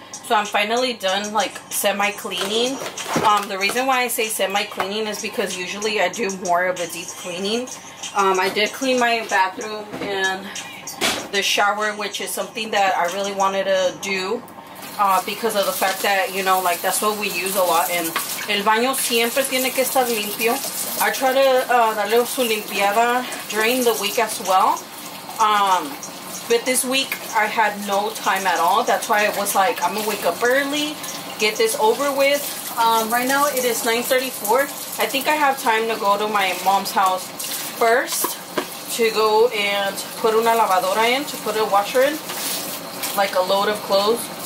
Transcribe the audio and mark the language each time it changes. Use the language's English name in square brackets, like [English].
[English] So I'm finally done, like, semi-cleaning. The reason why I say semi-cleaning is because usually I do more of a deep cleaning. I did clean my bathroom and the shower, which is something that I really wanted to do. Because of the fact that, you know, like, that's what we use a lot. And [Spanish] el baño siempre tiene que estar limpio. [English] I try to [Spanish] darle su limpiada [English] during the week as well. But this week I had no time at all. That's why I was like, I'm gonna wake up early, get this over with. Right now it is 9:34. I think I have time to go to my mom's house first to go and put [Spanish] una lavadora [English] in, to put a washer in, like a load of clothes.